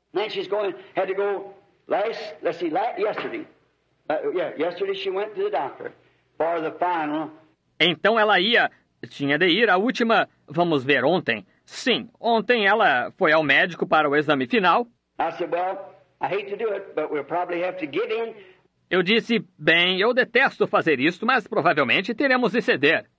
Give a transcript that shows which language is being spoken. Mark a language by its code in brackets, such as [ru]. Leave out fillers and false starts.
[en] Then she's going, had to go last, let's see, last, yesterday. Yesterday she went to the doctor for the final. [pt] Então ela ia, tinha de ir, a última, vamos ver, ontem. Sim, ontem ela foi ao médico para o exame final. [en] I said, well, I hate to do it, but we'll probably have to give in. [pt] Eu disse, bem, eu detesto fazer isto, mas provavelmente teremos de ceder.